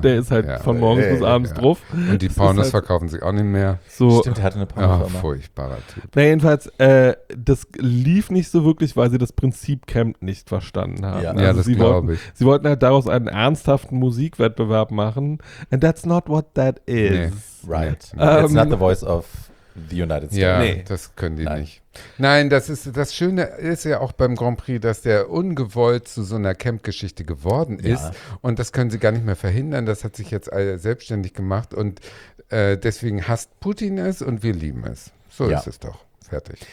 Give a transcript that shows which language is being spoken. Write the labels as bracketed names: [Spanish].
[German] Der ist halt von morgens bis abends drauf. Und die Pornos halt, verkaufen sich auch nicht mehr. So, stimmt, der hatte eine Pornofirma. Ach, furchtbarer Typ. Naja, jedenfalls, das lief nicht so wirklich, weil sie das Prinzip Camp nicht verstanden haben. Ja, also das glaube ich. Sie wollten halt daraus einen ernsthaften Musikwettbewerb machen. [English] And that's not what that is. [German] Nee. [English] Right. It's not the voice of the United States. [German] Ja, das können die nicht. Nein, das Schöne ist ja auch beim Grand Prix, dass der ungewollt zu so einer Camp-Geschichte geworden ist. Und das können sie gar nicht mehr verhindern. Das hat sich jetzt selbstständig gemacht. Und deswegen hasst Putin es und wir lieben es. So ist es doch. Fertig.